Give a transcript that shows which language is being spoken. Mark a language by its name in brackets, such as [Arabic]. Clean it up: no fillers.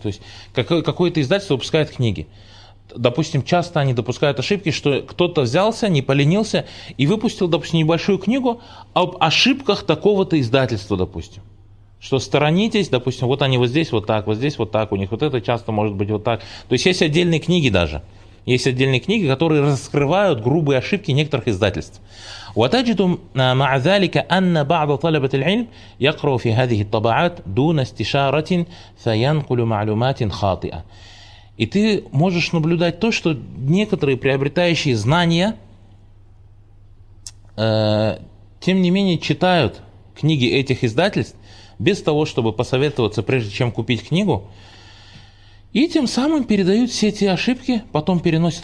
[Russian] То есть какое-то издательство выпускает книги. Допустим, часто они допускают ошибки, что кто-то взялся, не поленился и выпустил, допустим, небольшую книгу об ошибках такого-то издательства, допустим. Что сторонитесь, допустим, вот они вот здесь вот так, у них вот это часто может быть вот так. То есть есть отдельные книги даже. Есть отдельные книги, которые раскрывают грубые ошибки некоторых издательств. [Arabic] وتجد مع ذلك أن بعض طلبة العلم يقرأ في هذه الطبعات دون استشارة فينقل معلومات خاطئة. [Russian] И ты можешь наблюдать то, что некоторые приобретающие знания, тем не менее, читают книги этих издательств без того, чтобы посоветоваться, прежде чем купить книгу, и тем самым передают все эти ошибки, потом переносят.